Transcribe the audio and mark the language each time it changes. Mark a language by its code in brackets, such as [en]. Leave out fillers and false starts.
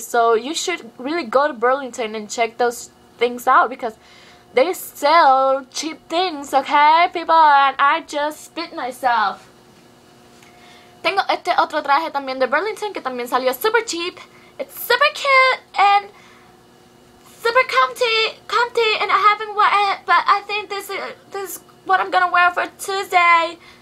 [en] So you should really go to Burlington and check those things out, because they sell cheap things, okay, people? And I just spit myself. [es] Tengo este otro traje también de Burlington que también salió [en] super cheap. It's super cute and super comfy, and I haven't worn it, but I think this is what I'm gonna wear for Tuesday.